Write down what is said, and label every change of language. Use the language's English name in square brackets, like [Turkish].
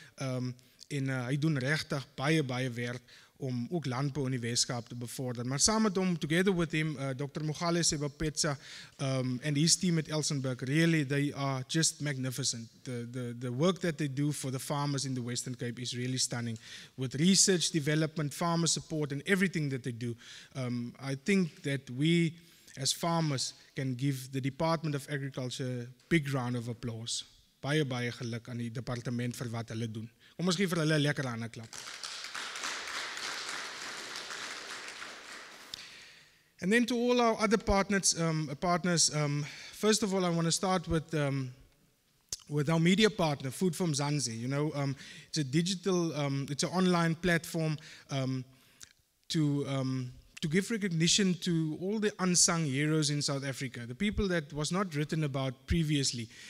[Afrikaans] En hy doen regtig baie, baie werk om ook landbou in die Weskaap te bevorder. Maar saam met hom, [English] together with him, [Afrikaans] Dr. [English] Mogale Sebapetsa and his team at Elsenburg, really, they are just magnificent. The work that they do for the farmers in the Western Cape is really stunning. With research, development, farmer support and everything that they do, I think that we as farmers can give the Department of Agriculture a big round of applause. [Afrikaans] Baie, baie geluk aan die departement vir wat hulle doen. Kom ons gee vir hulle 'n lekker hande klap. [English] And then to all our other partners, first of all, I want to start with our media partner, Food from Zanzi. You know, it's a digital, it's an online platform to give recognition to all the unsung heroes in South Africa, the people that was not written about previously.